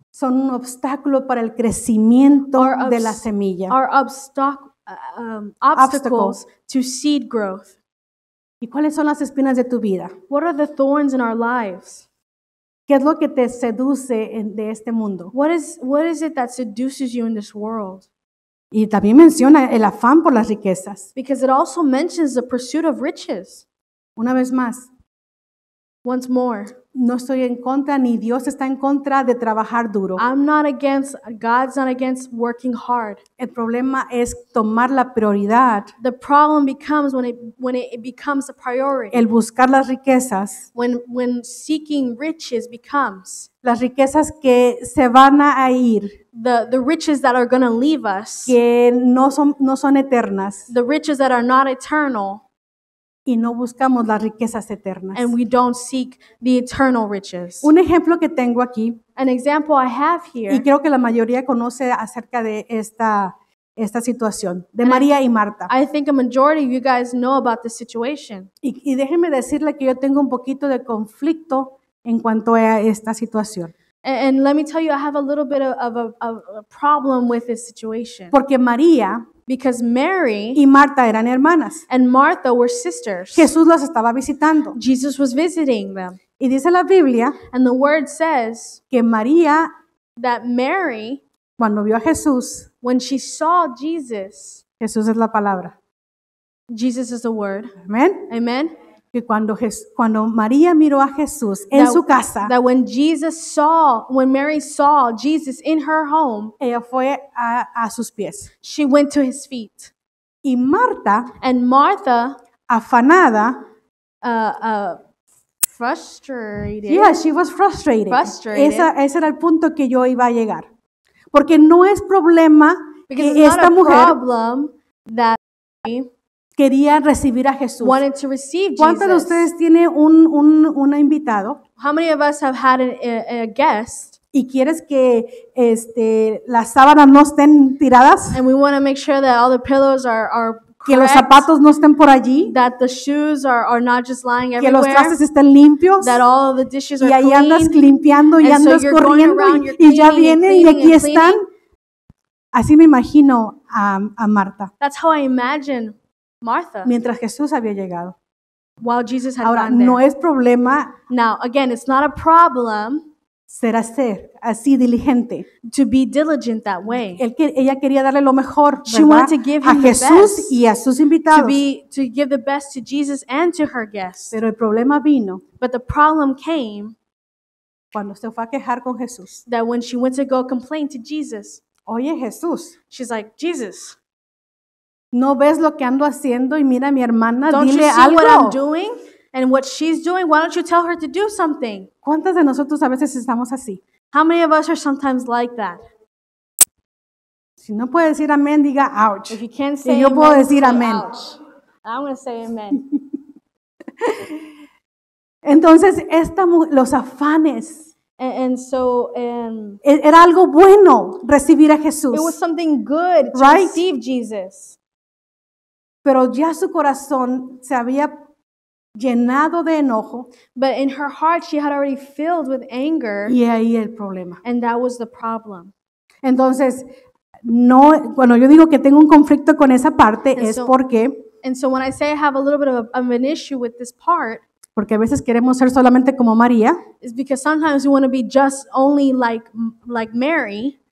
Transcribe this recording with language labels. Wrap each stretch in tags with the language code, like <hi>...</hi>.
<es>Son un obstáculo para el crecimiento de la semilla.</es> <en>Are obstacles to seed growth.</en> <es>¿Y cuáles son las espinas de tu vida?</es> <en>What are the thorns in our lives?</en> <es>¿Qué es lo que te seduce de este mundo?</es> <en>What is it that seduces you in this world?</en> <es>Y también menciona el afán por las riquezas.</es> <en>Because it also mentions the pursuit of riches.</en> <es>Una vez más,</es> <en>Once more.</en> <es>No estoy en contra, ni Dios está en contra de trabajar duro.</es> <en>I'm not against, God's not against working hard.</en> <es>El problema es tomar la prioridad.</es> <en>The problem becomes when it becomes a priority.</en> <es>El buscar las riquezas.</es> <en>When seeking riches becomes.</en> <es>Las riquezas que se van a ir.</es> <en>The riches that are going to leave us.</en> <es>Que no son eternas.</es> <en>The riches that are not eternal.</en> <es>Y no buscamos las riquezas eternas.</es> <en>And we don't seek the eternal riches.</en> <es>Un ejemplo que tengo aquí.</es> <en>An example I have here.</en> <es>Y creo que la mayoría conoce acerca de esta situación. De María y Marta.</es> <en>I think a majority of you guys know about this situation.</en> <es>Y déjenme decirle que yo tengo un poquito de conflicto en cuanto a esta situación.</es> <en>And let me tell you, I have a little bit of a problem with this situation.</en> <es>Porque María...</es> <en>Because Mary</en> <es>y Marta eran hermanas.</es> <en>And Martha were sisters.</en> <es>Jesús las estaba visitando.</es> <en>Jesus was visiting them.</en> <es>Y dice la Biblia,</es> <en>and the word says</en> <es>que María,</es> <en>that Mary,</en> <es>cuando vio a Jesús,</es> <en>when she saw Jesus,</en> <es>Jesús es la palabra.</es> <en>Jesus is the word.</en> <es>Amen.</es> <en>Amen.</en> <es>Que cuando María miró a Jesús en su casa,</es> <en>that when Mary saw Jesus in her home,</en> <es>ella fue a sus pies.</es> <en>She went to his feet.</en> <es>Y Marta,</es> <en>and Martha,</en> <es>afanada,</es> <en>frustrated. Yeah, she was frustrated. Frustrated.</en> <es>Ese era el punto que yo iba a llegar. Porque no es problema</es> <en>because</en> <es>que esta mujer</es> <en>problem that</en> <es>quería recibir a Jesús.</es> <en>Wanted to receive Jesus.</en> <es>¿Cuántos de ustedes tiene un invitado?</es> <en>How many of us have had a guest?</en> <es>¿Y quieres que las sábanas no estén tiradas?</es> <en>And we want to make sure that all the pillows are correct.</en> <es>Que los zapatos no estén por allí.</es> <en>That the shoes are not just lying everywhere.</en> <es>Que los trastes estén limpios.</es> <en>That all of the dishes are clean.</en> <es>Y ahí andas limpiando y andas corriendo y ya vienen y aquí están. Así me imagino a Marta.</es> <en>That's how I imagine Martha.</en> <es>Mientras Jesús había llegado.</es> <en>While Jesus had</en> <es>ahora,</es> <en>gone there.</en> <es>No es problema.</es> <en>Now, again, it's not a problem.</en> <es>Ser así diligente.</es> <en>To be diligent that way.</en> <es>Ella quería darle lo mejor.</es> <en>She wanted to give</en> <es>a Jesús y a sus invitados.</es> <en>To give the best to Jesus and to her guests.</en> <es>Pero el problema vino.</es> <en>But the problem came.</en> <es>Cuando se fue a quejar con Jesús.</es> <en>That when she went to go complain to Jesus.</en> <es>Oye, Jesús.</es> <en>She's like, Jesus.</en> <es>¿No ves lo que ando haciendo y mira a mi hermana?</es> <en>Don't</en> <es>dile</es> <en>you see</en> <es>algo.</es> <en>What I'm doing and what she's doing? Why don't you tell her to do something?</en> <es>¿Cuántas de nosotros a veces estamos así?</es> <en>How many of us are sometimes like that?</en> <es>Si no puede decir amén, diga ouch.</es> <en>If you can't say</en> <es>y yo</es> <en>amen,</en> <es>puedo decir amén.</es> <en>I'm going to say amen.</en> <es>Entonces, los afanes. Era algo bueno recibir a Jesús.</es> <en>It was something good to right? receive Jesus.</en> <es>Pero ya su corazón se había llenado de enojo.</es> <en>But in her heart, she had already filled with anger.</en> <es>Y ahí el problema.</es> <en>And that was the problem.</en> <es>Entonces, no, bueno, yo digo que tengo un conflicto con esa parte</es> <en>and</en> <es>es</es> <en>so,</en> <es>porque.</es> <en>And so when I say I have a little bit of an issue with this part.</en> <es>Porque a veces queremos ser solamente como María.</es> <en>It's because sometimes we want to be just only like Mary.</en>